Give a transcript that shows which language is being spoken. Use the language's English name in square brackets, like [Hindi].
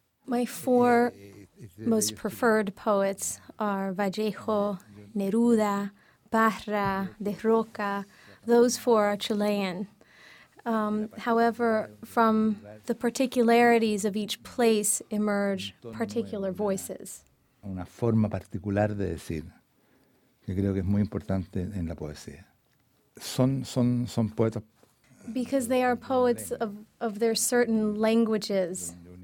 [English] My four most preferred poets are Vallejo, Neruda, Parra, de Roca. Those four are Chilean. However, from the particularities of each place emerge particular voices. [Spanish] Una forma particular de decir, que creo que es muy importante en la poesía. Son poetas. [English] Because they are poets of their certain languages.